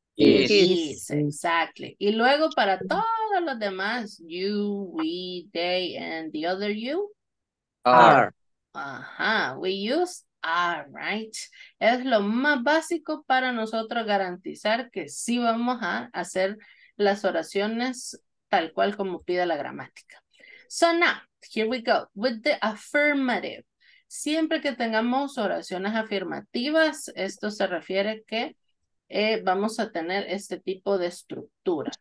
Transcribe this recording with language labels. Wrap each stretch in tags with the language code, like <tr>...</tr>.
<en>Exactly.</en> <es>Y luego para todos los demás,</es> <en>you, we, they, and the other you? Are. We use all right.</en> <es>Es lo más básico para nosotros garantizar que sí vamos a hacer las oraciones tal cual como pide la gramática.</es> <en>So now, here we go with the affirmative.</en> <es>Siempre que tengamos oraciones afirmativas, esto se refiere que vamos a tener este tipo de estructura.</es>